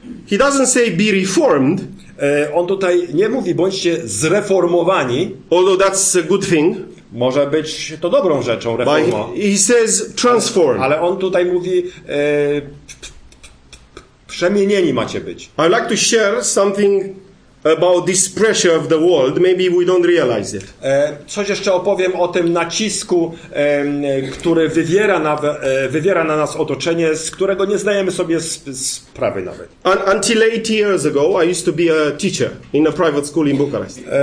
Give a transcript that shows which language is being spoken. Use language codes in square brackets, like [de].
[en] He doesn't say be reformed. [pl] On tutaj nie mówi bądźcie zreformowani. [en] Although that's a good thing. [pl] Może być to dobrą rzeczą, reforma. [en] He says transform. [pl] Ale on tutaj mówi przemienieni macie być. [en] I'd like to share something about this pressure of the world. Maybe we don't realize it. [pl] Coś jeszcze opowiem o tym nacisku, który wywiera na nas otoczenie, z którego nie zdajemy sobie sprawy nawet. [en] Until 8 years ago, I used to be a teacher in a private school in Bucharest.